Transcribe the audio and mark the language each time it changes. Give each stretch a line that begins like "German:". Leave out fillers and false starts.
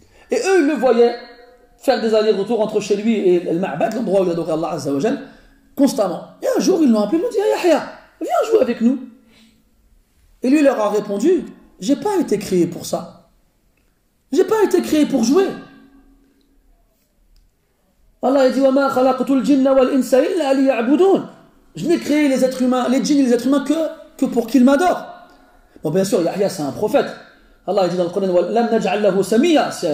French: Et eux, ils le voyaient faire des allers-retours entre chez lui et le Ma'bad, l'endroit où il adorait Allah Azza wa Jal, constamment. Et un jour, ils l'ont appelé, ils lui ont dit, Yahya, viens jouer avec nous. Et lui leur a répondu, j'ai pas été créé pour ça. J'ai pas été créé pour jouer.
Arabic: Allah a dit, وَمَا خَلَقْتُ الْجِنَّ وَالْإِنْسَ إِلَّا لِيَعْبُدُونَ.
French: Je n'ai créé les êtres humains, les djinns et les êtres humains que pour qu'ils m'adorent. Bon, bien sûr, Yahya, c'est un prophète. Allah a dit dans le Coran,
Arabic: لَمْ نَجْعَلْ لَهُ سَمِيَا.